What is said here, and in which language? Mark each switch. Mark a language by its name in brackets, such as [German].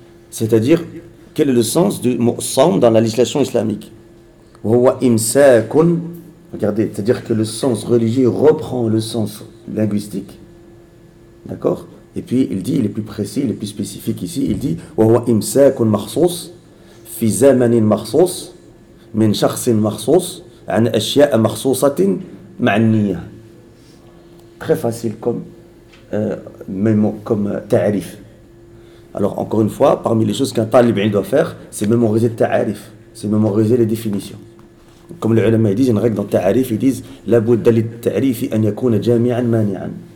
[French] C'est-à-dire, quel est le sens du mot sam dans la législation islamique? [Arabic] Wa imsakun. [French] Regardez, c'est-à-dire que le sens religieux reprend le sens linguistique. D'accord? Et puis, il dit, il est plus précis, il est plus spécifique ici. Il dit [Arabic] wa imsakun mahsous fi zamanin mahsous. من شخص مخصوص عن أشياء مخصوصة معنية. [French] Très facile comme ta'arif. Alors encore une fois, parmi les choses qu'un talib doit faire, c'est mémoriser le ta'arif, c'est mémoriser les définitions. Comme les ulama disent, une règle dans ta'arif, ils disent [Arabic] la budda li ta'arif an yakuna jami'an mani'an.